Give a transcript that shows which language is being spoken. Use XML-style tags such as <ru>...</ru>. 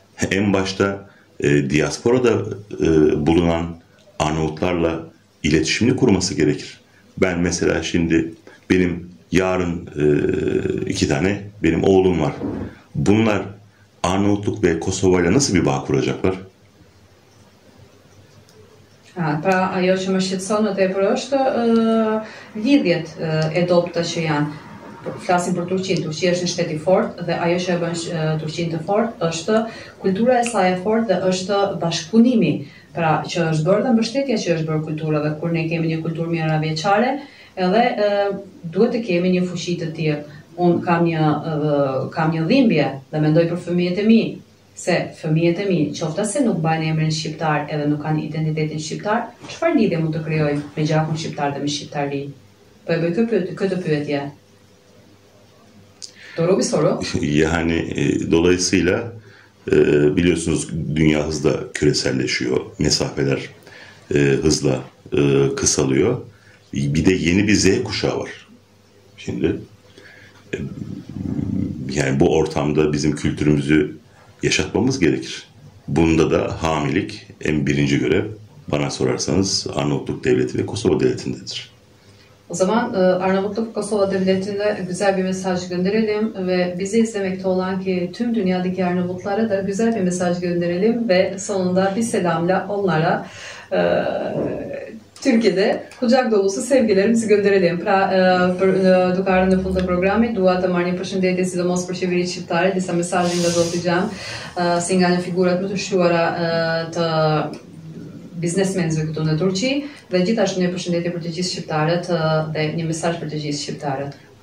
<tr>En başta diasporada bulunan Arnavutlarla iletişimini kurması gerekir. Ben mesela şimdi, benim yarın iki tane benim oğlum var. Bunlar Arnavutluk ve Kosova'yla nasıl bir bağ kuracaklar?</tr> <sq>Pra ajo që më shqetëson më tepër është lidhjet e dobta që janë. flasim për Turqinë. Turqia është një shtet i fortë dhe ajo që e bën Turqinë të fortë është kultura e saj e fortë dhe është bashkëpunimi. Pra që është bërë dhe mbështetja që është bërë kulturave, kur ne kemi një kulturë mirëravjeçare, edhe duhet të kemi një fuqi të tillë. Unë kam një dhimbje dhe mendoj për fëmijët e mi, se fëmijët e mi, qofta se nuk bajnë emrin shqiptar edhe nuk kanë identitetin shqiptar, çfarë lidhje mund të krijojmë me gjakun shqiptar dhe me shqiptari? Po e bëj këtë pyetje.</sq> <tr>Doğru bir soru. Yani dolayısıyla biliyorsunuz dünya hızla küreselleşiyor. Mesafeler hızla kısalıyor. Bir de yeni bir Z kuşağı var. Şimdi yani bu ortamda bizim kültürümüzü yaşatmamız gerekir. Bunda da hamilik en birinci görev bana sorarsanız Arnavutluk Devleti ve Kosova Devleti'ndedir. O zaman Arnavutluk Kosova Devleti'ne güzel bir mesaj gönderelim ve bizi izlemekte olan ki tüm dünyadaki Arnavutlara da güzel bir mesaj gönderelim ve sonunda bir selamla onlara Türkiye'de kucak dolusu sevgilerimizi gönderelim.</tr> <sq>Pra dukarda në fund të programit, dua të marr një përshëndetje sidomos për qeverinë shqiptare, disa mesazhe nga zoti Xham, si nga një figurat më të shquara të biznesmenëve këtu në Turqi, dhe gjithashtu një përshëndetje për të gjithë shqiptarët dhe një mesazh për të gjithë shqiptarët.</sq>